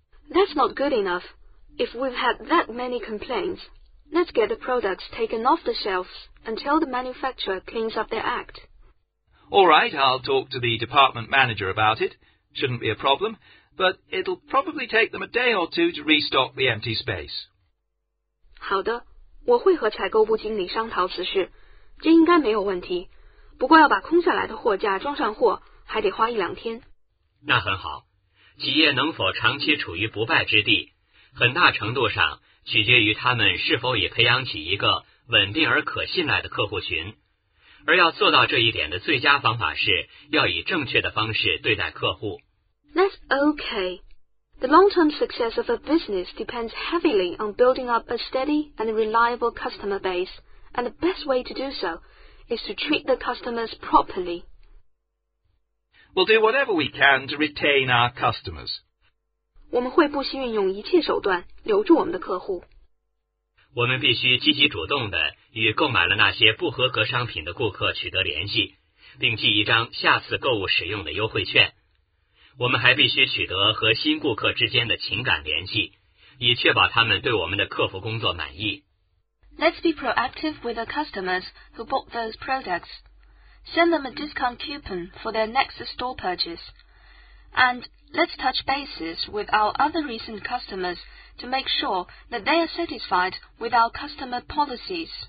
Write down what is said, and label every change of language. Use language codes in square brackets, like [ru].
[en] That's not good enough. If we've had that many complaints, let's get the products taken off the shelves. Until the manufacturer cleans up their act. All right, I'll talk to the department manager about it. Shouldn't be a problem, but it'll probably take them a day or two to restock the empty space. [zh] 好的，我会和采购部经理商讨此事，这应该没有问题。不过要把空下来的货架装上货，还得花一两天。那很好，企业能否长期处于不败之地，很大程度上取决于他们是否已培养起一个稳定而可信赖的客户群，而要做到这一点的最佳方法是要以正确的方式对待客户。 [en] That's okay. The long-term success of a business depends heavily on building up a steady and reliable customer base, and the best way to do so is to treat the customers properly. We'll do whatever we can to retain our customers. [zh] 我们会不惜运用一切手段留住我们的客户。我们必须积极主动地与购买了那些不合格商品的顾客取得联系，并寄一张下次购物使用的优惠券。我们还必须取得和新顾客之间的情感联系，以确保他们对我们的客服工作满意。 [en] Let's be proactive with the customers who bought those products. Send them a discount coupon for their next store purchase. And let's touch bases with our other recent customers. To make sure that they are satisfied with our customer policies.